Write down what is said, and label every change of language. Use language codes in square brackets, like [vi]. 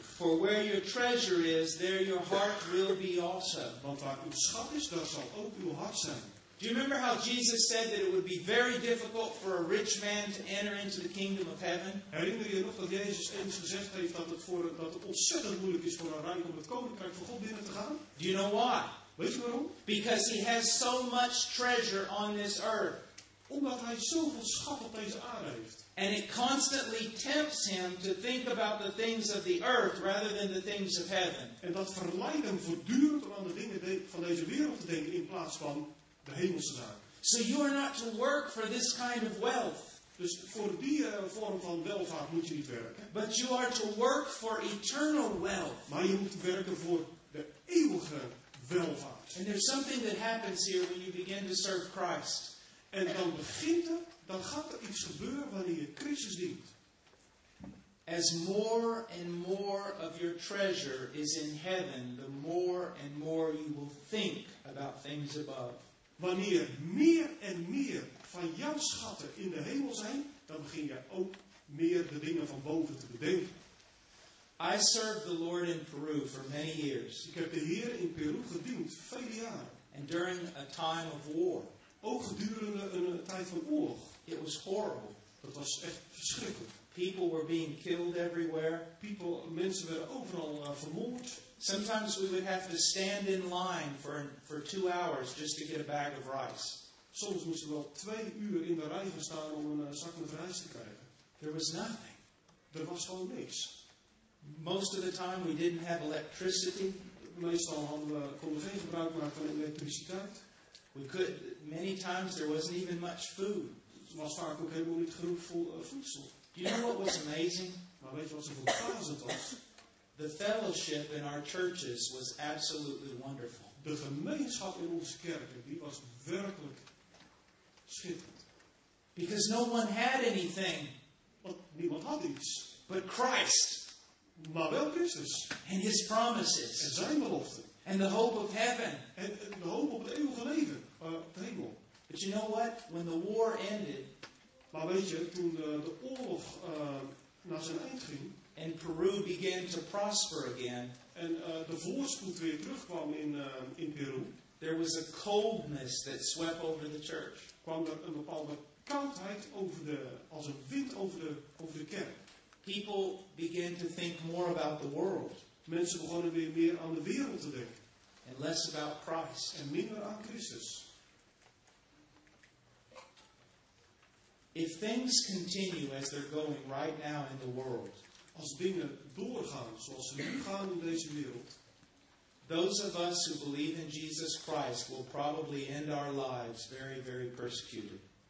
[en] For where your treasure is, there your heart will be also. [nl] Want waar uw schat is, daar zal ook uw hart zijn. [en] Do you remember how Jesus said that it would be very difficult for a rich man to enter into the kingdom of heaven? [nl] Herinner je nog dat Jezus eens gezegd heeft dat het ontzettend moeilijk is voor een rijk om het koninkrijk van God binnen te gaan? [en] Do you know why? [nl] Weet je waarom? [en] Because he has so much treasure on this earth. [nl] Omdat hij zoveel schat op deze aarde heeft. [en] And it constantly tempts him to think about the things of the earth rather than the things of heaven. [nl] En dat verleidt hem voortdurend om aan de dingen van deze wereld te denken in plaats van de hemelse zaak. [en] So you are not to work for this kind of wealth. [nl] Dus voor die vorm van welvaart moet je niet werken. [en] But you are to work for eternal wealth. [nl] Maar je moet werken voor de eeuwige welvaart. [en] And there's something that happens here when you begin to serve Christ. [nl] En dan begint er, dan gaat er iets gebeuren wanneer je Christus dient. [en] As more and more of your treasure is in heaven, the more and more you will think about things above. [nl] Wanneer meer en meer van jouw schatten in de hemel zijn, dan begin je ook meer de dingen van boven te bedenken. [en] I served the Lord in Peru for many years. [nl] Ik heb de Heer in Peru gediend, vele jaren. [en] And during a time of war. [nl] Ook gedurende een tijd van oorlog. [en] It was horrible. [nl] Dat was echt verschrikkelijk. [en] People were being killed everywhere. [nl] Mensen werden overal vermoord. [en] Sometimes we would have to stand in line for 2 hours just to get a bag of rice. [nl] Soms moesten we wel 2 uur in de rij gaan staan om een zak met rijst te krijgen. [en] There was nothing. [nl] Er was gewoon niks. [en] Most of the time we didn't have electricity. [nl] Meestal konden we geen gebruik maken van elektriciteit. [en] Many times there wasn't even much food. [nl] Er was vaak ook helemaal niet genoeg voedsel. [en] Do you know what was amazing? [nl] Maar weet je wat zo verbazend was? [en] The fellowship in our churches was absolutely wonderful. [nl] De gemeenschap in onze kerken, die was werkelijk schitterend. [en] Because no one had anything. [nl] Want niemand had iets. [en] But Christ. [nl] Maar wel Christus. [en] And his promises. [nl] En zijn beloften. [en] And the hope of heaven. [nl] En de hoop op het eeuwige leven. Het hemel. [en] But you know what? When the war ended. [nl] Maar weet je, toen de oorlog naar zijn eind ging. [en] And Peru began to prosper again. [nl] En de voorspoed weer terugkwam in Peru. [en] There was a coldness that swept over the church. [nl] Kwam er een bepaalde koudheid als een wind over de kerk. [en] People began to think more about the world. [nl] Mensen begonnen weer meer aan de wereld te denken. [en] And less about Christ. [nl] En minder aan Christus. [en] If things continue as they're going right now in the world. [nl] Als dingen doorgaan zoals ze nu gaan in deze wereld. [en] Those of us who believe in Jesus Christ will probably end our lives very, very persecuted.